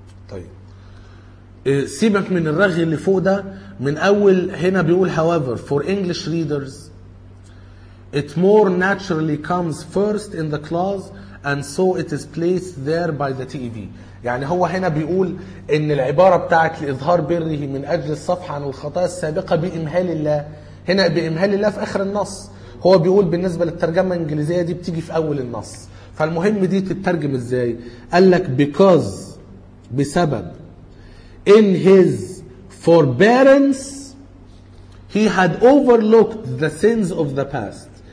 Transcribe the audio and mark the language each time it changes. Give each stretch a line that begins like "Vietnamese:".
Arabic: طيب سيبك من الرغي اللي فوق ده من اول هنا بيقول
English: however for English readers it more naturally comes first in the clause and so it is placed there by the TEV.
Arabic: يعني هو هنا بيقول ان العبارة بتاعت لإظهار بره من اجل الصفحة عن الخطايا السابقة بإمهال الله هنا بإمهال الله في اخر النص. هو بيقول بالنسبة للترجمة الانجليزية دي بتيجي في اول النص. فالمهم دي تترجم ازاي؟ قالك
English: because بسبب in his forbearance he had overlooked the sins of the past.